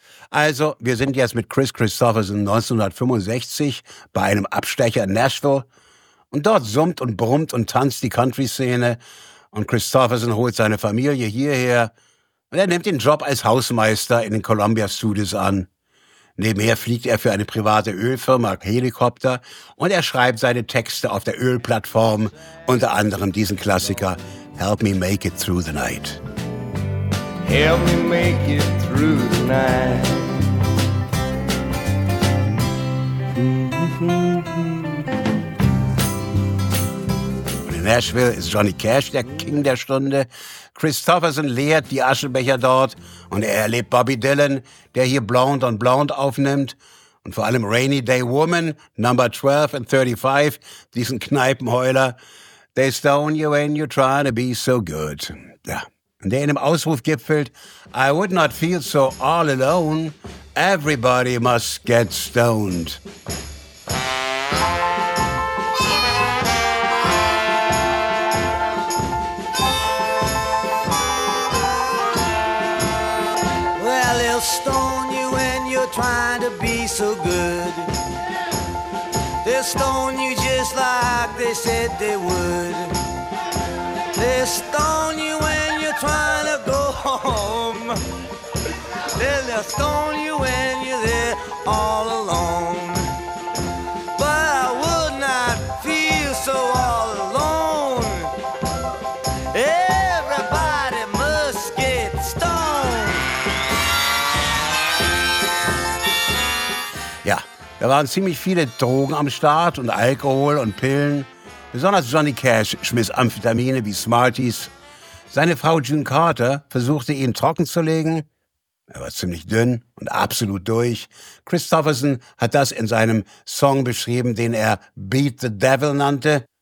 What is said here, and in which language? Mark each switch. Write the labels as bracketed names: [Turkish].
[German] Also, wir sind jetzt mit Kris Kristofferson 1965 bei einem Abstecher in Nashville und dort summt und brummt und tanzt die Country-Szene und Kristofferson holt seine Familie hierher und er nimmt den Job als Hausmeister in den Columbia Studios an. Nebenher fliegt er für eine private Ölfirma Helikopter und er schreibt seine Texte auf der Ölplattform, unter anderem diesen Klassiker Help Me Make It Through the Night. [English] Help me make it through the night. [German] Und in Nashville ist Johnny Cash der King der Stunde. Christopherson leert die Aschenbecher dort und er erlebt Bobby Dylan, der hier Blonde on Blonde aufnimmt und vor allem Rainy Day Woman, Number 12 and 35, diesen Kneipenheuler. [English] They stone you when you're trying to be so good. [German] Ja. Und der in dem Ausruf gipfelt, [English] I would not feel so all alone, everybody must get stoned. So good. They'll stone you just like they said they would. They'll stone you when you're trying to go home. They'll stone you when you're there all alone. But I would not feel so all alone. Everybody must get stoned. [German] Ja, da waren ziemlich viele Drogen am Start und Alkohol und Pillen. Besonders Johnny Cash schmiss Amphetamine wie Smarties. Seine Frau June Carter versuchte ihn trocken zu legen. Er war ziemlich dünn und absolut durch. Christopherson hat das in seinem Song beschrieben, den er Beat the Devil nannte.